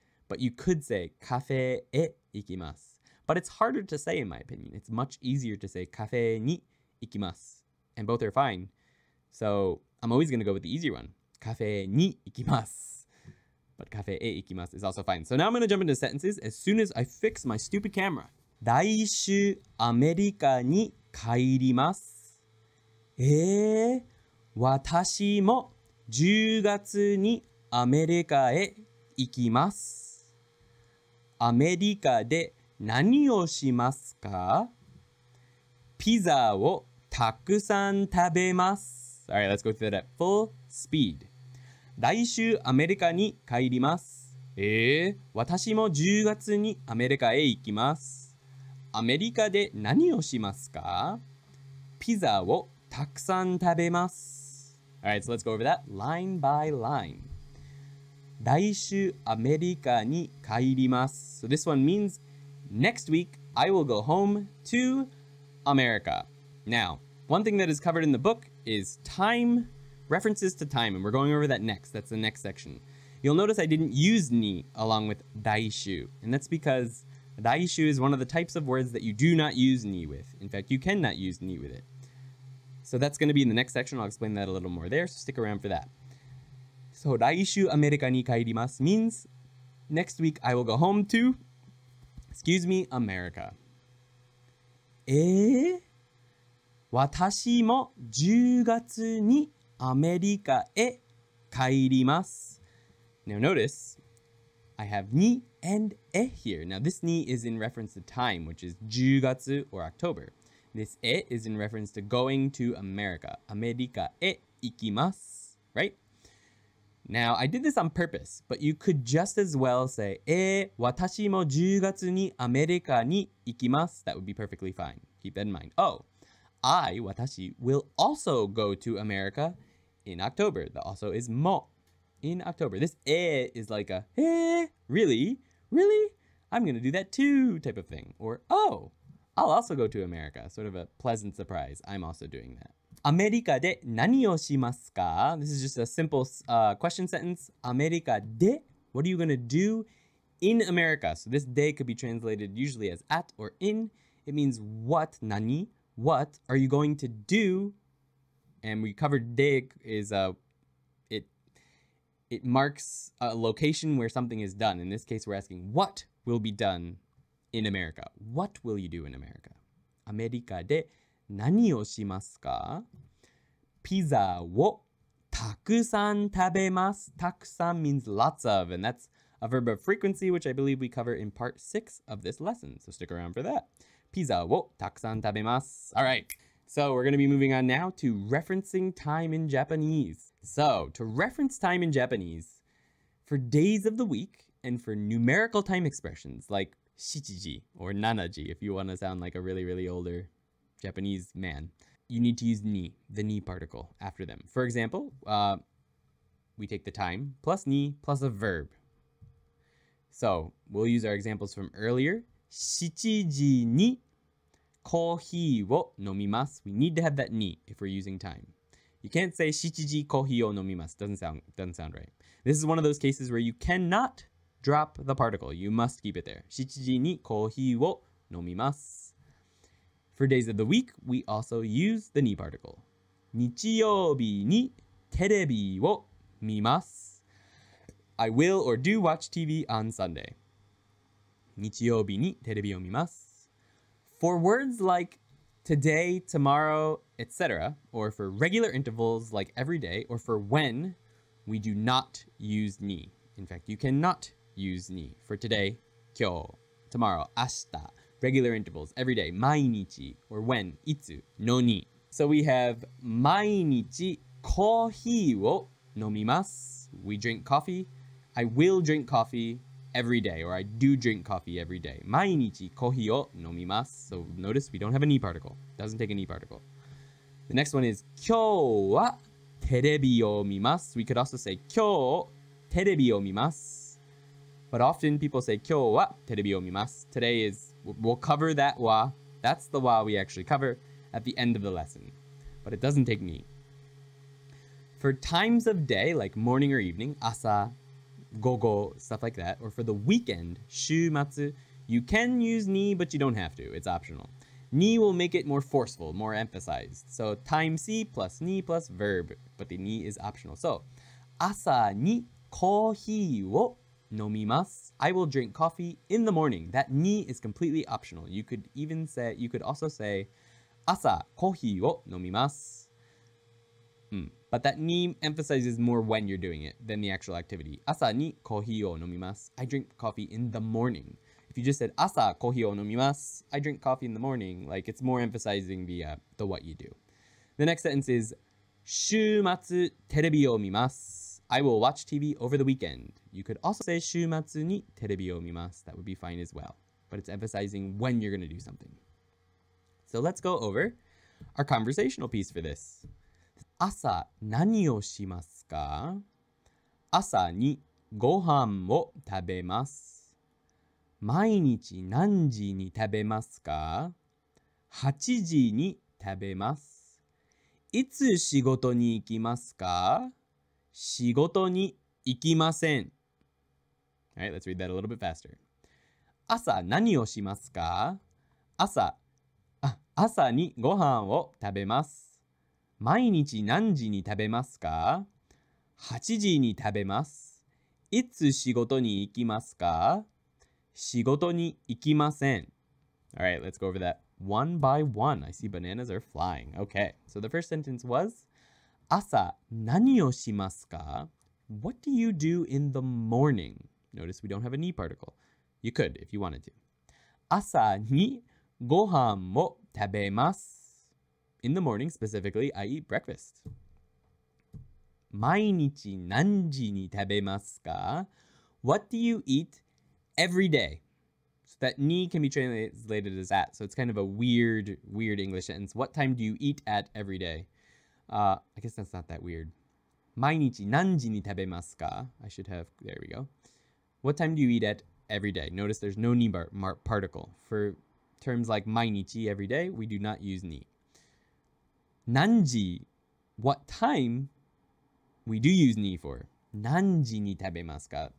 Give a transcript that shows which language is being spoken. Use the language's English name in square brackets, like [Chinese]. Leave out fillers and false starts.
[English] But you could say [Japanese] cafe e ikimasu. [English] But it's harder to say in my opinion. It's much easier to say [Japanese] cafe ni ikimasu. [English] And both are fine. So I'm always going to go with the easier one. [Japanese] Cafe ni ikimasu. [English] But [Japanese] cafe e ikimasu [English] is also fine. So now I'm going to jump into sentences as soon as I fix my stupid camera. [Japanese] 来週アメリカに帰ります。私も10月にアメリカへ行きます。アメリカで何をしますか? ピザをたくさん食べます。 [English] All right, let's go through that at full speed. [Japanese] 来週アメリカに帰ります。私も10月にアメリカへ行きます。アメリカで何をしますか?ピザをたくさん食べます。 [English] All right, so let's go over that line by line. [Japanese] 来週アメリカに帰ります。 [English] So this one means, next week, I will go home to America. Now, one thing that is covered in the book is time, references to time, and we're going over that next. That's the next section. You'll notice I didn't use ni along with daishu, and that's because daishu is one of the types of words that you do not use ni with. In fact, you cannot use ni with it. So that's going to be in the next section. I'll explain that a little more there, so stick around for that. So [Japanese] daishu Amerika ni kaerimasu [English] means next week I will go home to, excuse me, America. Eh? [Japanese] 私も10月にアメリカへ帰ります。 [English] Now notice, I have ni and e here. Now this ni is in reference to time, which is 10月 or October. This e is in reference to going to America. [Japanese] アメリカへ行きます。Right? [English] Now I did this on purpose, but you could just as well say [Japanese] 私も10月にアメリカに行きます。 [English] That would be perfectly fine. Keep that in mind. Oh! 私 will also go to America in October. The also is mo in October. This e is like a, really? Really? I'm going to do that too type of thing. Or, oh, I'll also go to America. Sort of a pleasant surprise. I'm also doing that. [Japanese] America で何をしますか? [English] This is just a simple question sentence. America で, what are you going to do in America? So this de could be translated usually as at or in. It means what, 何? What are you going to do? And we covered de is a, it, it marks a location where something is done. In this case, we're asking, what will be done in America? What will you do in America? [Japanese] America de 何をしますか? ピザをたくさん食べます。 [English] たくさん means lots of, and that's a verb of frequency, which I believe we cover in part 6 of this lesson. So stick around for that. [Japanese] ピザをたくさん食べます。 [English] All right. So we're going to be moving on now to referencing time in Japanese. So to reference time in Japanese, for days of the week and for numerical time expressions like shichiji or nanaji, if you want to sound like a really, really older Japanese man, you need to use ni, the ni particle, after them. For example, we take the time plus ni plus a verb. So we'll use our examples from earlier. [Japanese] Shichiji ni kohi wo nomimasu. [English] We need to have that ni if we're using time. You can't say [Japanese] shichiji kohi wo nomimasu. [English] Doesn't sound right. This is one of those cases where you cannot drop the particle. You must keep it there. [Japanese] Shichiji ni kohi wo nomimasu. [English] For days of the week, we also use the ni particle. [Japanese] Nichiyobi ni terebi wo mimasu. [English] I will or do watch TV on Sunday. [Japanese] 日曜日にテレビを見ます。 [English] For words like today, tomorrow, etc., or for regular intervals like every day, or for when, we do not use ni. In fact, you cannot use ni for today, 今日, tomorrow, 明日, regular intervals, every day, 毎日, or when, いつ, no ni. So we have [Japanese] 毎日コーヒーを飲みます。 [English] We drink coffee. I will drink coffee every day, or I do drink coffee every day. [Japanese] 毎日コーヒーを飲みます。 [English] So notice we don't have a ni particle. Doesn't take a ni particle. The next one is [Japanese] 今日はテレビを見ます。 [English] We could also say [Japanese] 今日テレビを見ます。 [English] But often people say [Japanese] 今日はテレビを見ます。 [English] Today is, we'll cover that wa. That's the wa we actually cover at the end of the lesson. But it doesn't take ni. For times of day, like morning or evening, 朝, 午後, stuff like that, or for the weekend, 週末, you can use ni, but you don't have to. It's optional. Ni will make it more forceful, more emphasized. So time C plus ni plus verb, but the ni is optional. So, [Japanese] 朝にコーヒーを飲みます. [English] I will drink coffee in the morning. That ni is completely optional. You could even say, you could also say, [Japanese] 朝コーヒーを飲みます. [English] But that ni emphasizes more when you're doing it than the actual activity. [Japanese] 朝にコーヒーを飲みます. [English] I drink coffee in the morning. If you just said [Japanese] 朝コーヒーを飲みます, [English] I drink coffee in the morning, like it's more emphasizing the what you do. The next sentence is [Japanese] 週末テレビを見ます. [English] I will watch TV over the weekend. You could also say [Japanese] 週末にテレビを見ます. [English] That would be fine as well. But it's emphasizing when you're going to do something. So let's go over our conversational piece for this. [Japanese] 朝何をしますか? 朝にご飯を食べます。毎日何時に食べますか ?8時に食べます。いつ仕事に行きますか仕事に行きません。 [English] Alright, let's read that a little bit faster. [Japanese] 朝何をしますか? 朝にご飯を食べます。毎日何時に食べますか ?8時に食べます。いつ仕事に行きますか仕事に行きません。 [English] Alright, let's go over that one by one. I see bananas are flying. Okay, so the first sentence was [Japanese] 朝何をしますか [English] ?What do you do in the morning? Notice we don't have a ni particle. You could if you wanted to. [Japanese] 朝にご飯を食べます。 [English] In the morning, specifically, I eat breakfast. [Japanese] 毎日何時に食べますか? [English] What do you eat every day? So that ni can be translated as at. So it's kind of a weird, weird English sentence. What time do you eat at every day? I guess that's not that weird. [Japanese] 毎日何時に食べますか? [English] I should have, there we go. What time do you eat at every day? Notice there's no ni particle. For terms like 毎日, every day, we do not use ni. Nanji, what time we do use ni for. [Japanese] Nanji ni tabemasu ka?